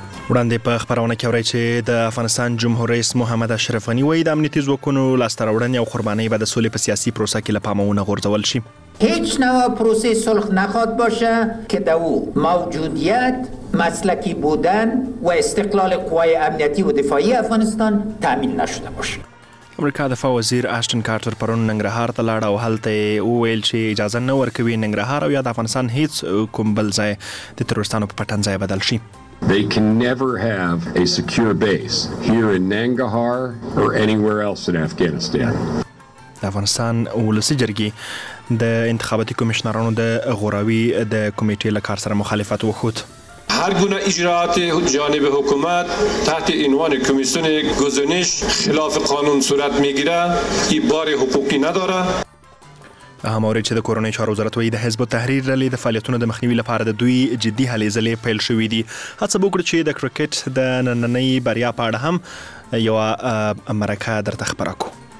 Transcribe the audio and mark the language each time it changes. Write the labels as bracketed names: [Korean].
[Pashto] وړاندې په خبرونه کې ورای چې د افغانستان جمهور رئیس محمد اشرف غنی وایي د امنیتي ځواکونو لاسترولنې او قربانۍ به د سولې په سیاسي پروسه کې لپامونه غورځول شي. [Persian] هیچ نوع پروسه صلح نخواهد باشه که در او موجودیت، مسلکی بودن و استقلال قوای امنیتی و دفاعی افغانستان تامین نشده باشه. [Pashto] امریکا دفاع وزیر اشتن کارتر پرون ننګرهار ته لاړ او هلته یې وویل چې اجازه نه ورکوي ننګرهار او یا د افغانستان هیڅ کوم بل ځای د تروریستانو په پټنځای بدل شي. [English] They can never have a secure base here in Nangarhar or anywhere else in Afghanistan. [Pashto] د افغانستان ولسی جرګې د انتخاباتي کمشنرانو د غوراوي د کمیټې له کار سره مخالفت وکړ. [Persian] هر گونه اجراءات جانب حکومت تحت عنوان کمیسیون گزینش خلاف قانون صورت میگیره، ای بار حقوقی نداره. [Pashto] هماره چې د کورونا چارو وزارت وایي د حزب تحریر رلی د فعالیتونو د مخنیوي لپاره د دوی جدي هلې ځلې پیل شوې دي. هڅه وکړه چې د کرکټ د نننۍ بریا په اړه هم یو مرکه درته خبره کړو.